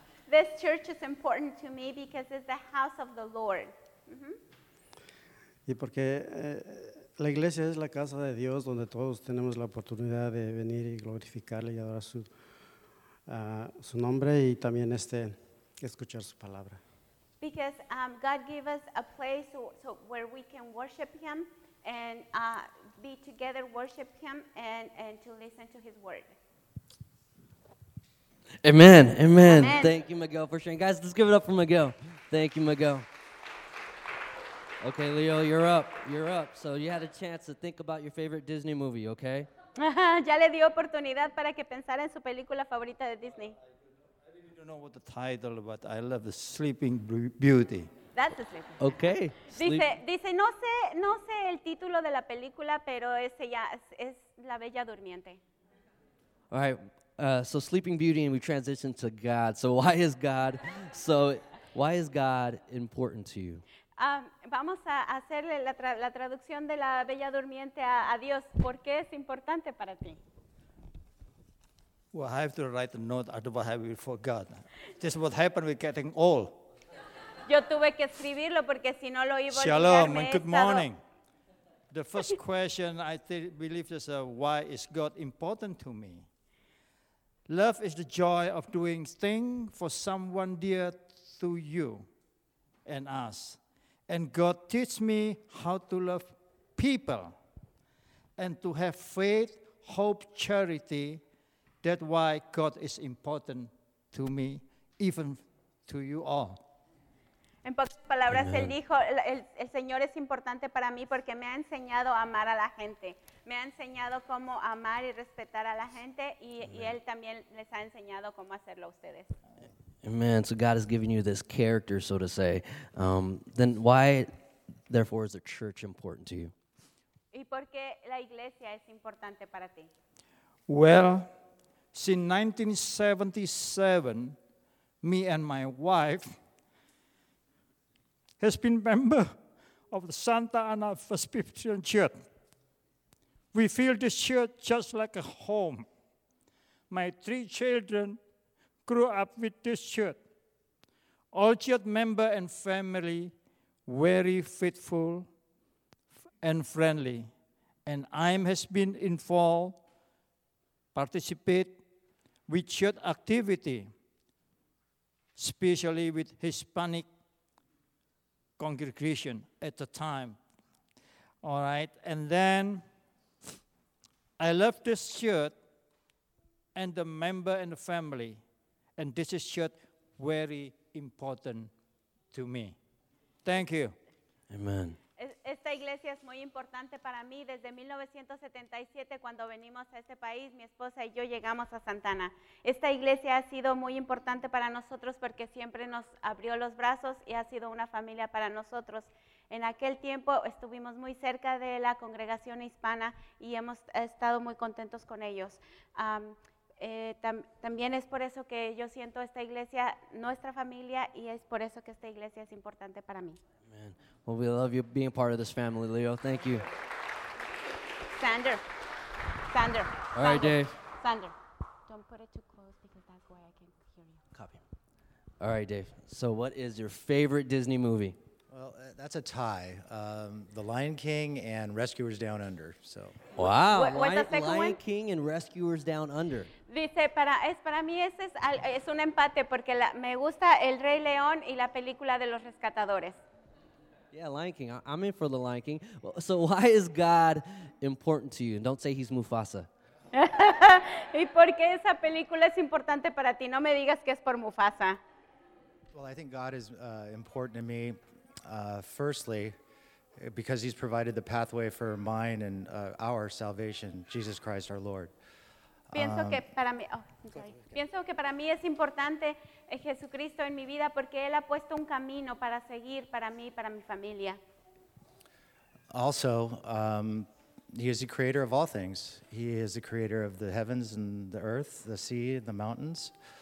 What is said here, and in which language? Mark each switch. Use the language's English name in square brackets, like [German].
[English] This church is important to me because it's the house of the Lord. [Spanish] Y porque la iglesia es la casa de Dios donde todos tenemos la oportunidad de venir y glorificarle y adorar su nombre y también escuchar su palabra. [English] Because God gave us a place so where we can worship Him and be together, worship Him, and to listen to His word. Amen, amen, amen. Thank you, Miguel, for sharing. Guys, let's give it up for Miguel. Thank you, Miguel. Okay, Leo, you're up. You're up. So you had a chance to think about your favorite Disney movie, okay? [Spanish] Ya le dio oportunidad para que pensara en su película favorita de Disney. [English] I don't know what the title, but I love the Sleeping Beauty. That's the Sleeping Beauty. Okay. [Spanish] Dice, no sé el título de la película, pero ese ya es La Bella Durmiente. [English] All right. So Sleeping Beauty, and we transition to God. So why is God important to you? [Spanish] Vamos a hacerle la traducción de La Bella Durmiente a Dios. ¿Por qué es importante para ti? [English] Well, I have to write a note, otherwise I will forget. This is what happened with getting old. [Spanish] Yo tuve que escribirlo porque si no lo iba a olvidar. [English] Shalom and good morning. The first question I believe is why is God important to me? Love is the joy of doing things for someone dear to you and us. And God teaches me how to love people and to have faith, hope, charity. That's why God is important to me, even to you all. [Spanish] En pocas palabras, Él dijo, el Señor es importante para mí porque me ha enseñado a amar a la gente. Me ha enseñado cómo amar y respetar a la gente y Él también les ha enseñado cómo hacerlo a ustedes. [English] Amen. So God has given you this character, so to say. Then why, therefore, is the church important to you? [Spanish] ¿Y por qué la iglesia es importante para ti? [English] Well, since 1977, me and my wife has been member of the Santa Ana Presbyterian Church. We feel this church just like a home. My three children grew up with this church. All church members and family, very faithful and friendly. And I has been involved, participate with church activity, especially with Hispanic congregation at the time. All right. And then I left this shirt and the member and the family. And this is shirt very important to me. Thank you. Amen. [Spanish] Esta iglesia es muy importante para mí. Desde 1977, cuando venimos a este país, mi esposa y yo llegamos a Santana. Esta iglesia ha sido muy importante para nosotros porque siempre nos abrió los brazos y ha sido una familia para nosotros. En aquel tiempo estuvimos muy cerca de la congregación hispana y hemos estado muy contentos con ellos. También es por eso que yo siento esta iglesia nuestra familia y es por eso que esta iglesia es importante para mí. [English] Amen. Well, we love you being part of this family, Leo. Thank you. Sander. Sander. All right, Dave. Sander. Don't put it too close because that way I can hear you. Copy. All right, Dave. So what is your favorite Disney movie? Well, that's a tie. The Lion King and Rescuers Down Under. So. Wow. What's the second one? Lion King and Rescuers Down Under. [Spanish] Dice, para mí ese es un empate porque me gusta El Rey León y la película de los rescatadores. [English] Yeah, Lion King. I'm in for the Lion King. So why is God important to you? Don't say he's Mufasa. [Spanish] ¿Y por qué esa película es importante para ti? No me digas que es por Mufasa. [English] Well, I think God is important to me, firstly, because he's provided the pathway for mine and our salvation, Jesus Christ our Lord. [Spanish] Pienso que para mí es importante Jesucristo en mi vida porque Él ha puesto un camino para seguir para mí, para mi familia. [English] Also, He is the creator of all things. He is the creator of the heavens and the earth, the sea, the mountains.